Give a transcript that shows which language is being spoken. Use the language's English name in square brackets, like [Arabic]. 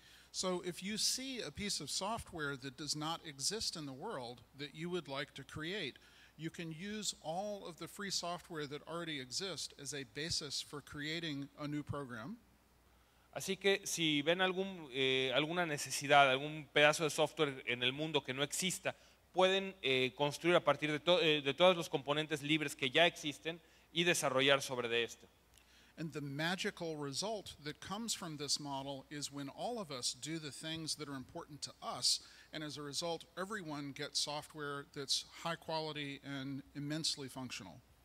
[English] So if you see a piece of software that does not exist in the world that you would like to create, you can use all of the free software that already exists as a basis for creating a new program. [Spanish] Así que si ven alguna necesidad, algún pedazo de software en el mundo que no exista, pueden construir a partir de todos los componentes libres que ya existen y desarrollar sobre de este. [English] And the magical result that comes from this model is when all of us do the things that are important to us, and as a result, everyone gets software that's high quality and immensely functional.